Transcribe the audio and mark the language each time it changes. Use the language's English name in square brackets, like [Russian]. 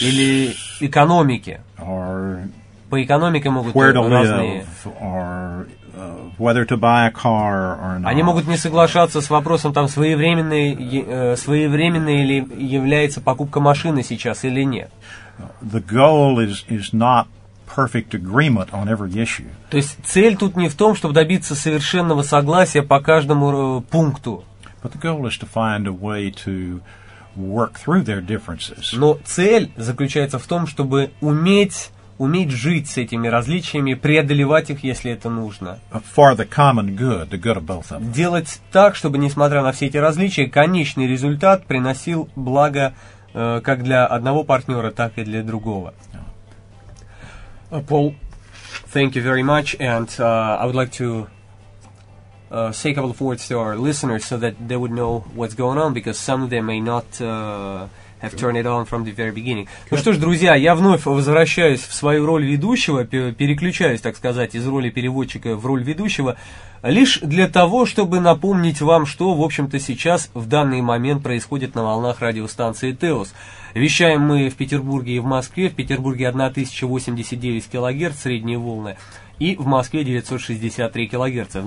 [Russian] Или экономики. [English] Or [Russian] по экономике могут быть разные. [English] Or whether to buy a car or not. [Russian] Они могут не соглашаться с вопросом, там, своевременной ли является покупка машины сейчас или нет. [English] The goal is not perfect agreement on every issue. [Russian] То есть цель тут не в том, чтобы добиться совершенного согласия по каждому пункту. [English] But the goal is to find a way to work through their differences. [Russian] Но цель заключается в том, чтобы уметь жить с этими различиями, преодолевать их, если это нужно. [English] For the common good, the good of both of them. [Russian] Делать так, чтобы, несмотря на все эти различия, конечный результат приносил благо как для одного партнера, так и для другого. [English] Paul, thank you very much, and I would like to say a couple of words to our listeners so that they would know what's going on, because some of them may not have turned it on from the very beginning. [Russian] Ну что ж, друзья, я вновь возвращаюсь в свою роль ведущего, переключаюсь, так сказать, из роли переводчика в роль ведущего, лишь для того, чтобы напомнить вам, что, в общем-то, сейчас, в данный момент, происходит на волнах радиостанции «Теос». Вещаем мы в Петербурге и в Москве. В Петербурге 1089 кГц средние волны, и в Москве 963 кГц.